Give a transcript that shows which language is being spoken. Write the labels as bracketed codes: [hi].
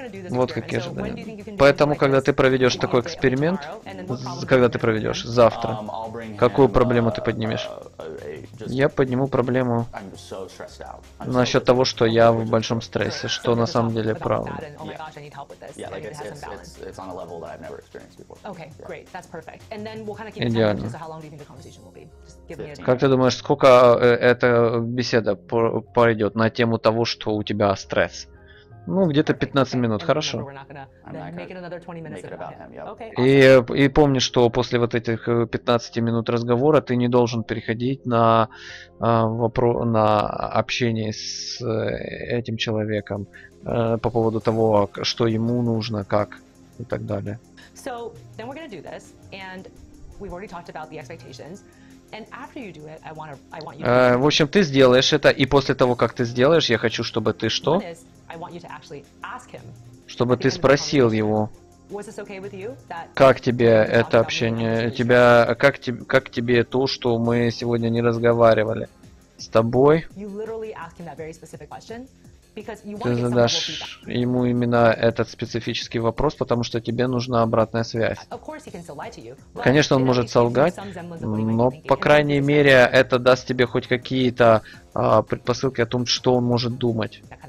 [ru] Вот какие ожидания. Поэтому, когда ты проведешь такой эксперимент, когда ты проведешь завтра, какую проблему ты поднимешь? Я подниму проблему насчет того, что я в большом стрессе, что на самом деле правда. [en] On a level that I've never experienced before. Okay, yeah. Great, that's perfect. And then we'll kind of keep in touch. So how long do you think the conversation will be? Just give me a. [ru] Как ты думаешь, сколько эта беседа пройдет на тему того, что у тебя стресс? Ну, где-то 15 минут, хорошо. И помни, что после вот этих 15 минут разговора ты не должен переходить на вопрос на общение с этим человеком по поводу того, что ему нужно, как. И так далее. [en] So then we're gonna do this, and we've already talked about the expectations. And after you do it, I want you. [ru] В общем, ты сделаешь это, и после того, как ты сделаешь, я хочу, чтобы ты что? [en] I want you to actually ask him. [ru] Чтобы ты спросил его. [en] Was this okay with you? [ru] Как тебе это общение? Тебя как тебе то, что мы сегодня не разговаривали с тобой? [en] You literally ask him that very specific question. [ru] Ты задашь ему именно этот специфический вопрос, потому что тебе нужна обратная связь. Конечно, он может солгать, но, по крайней мере, это даст тебе хоть какие-то предпосылки о том, что он может думать.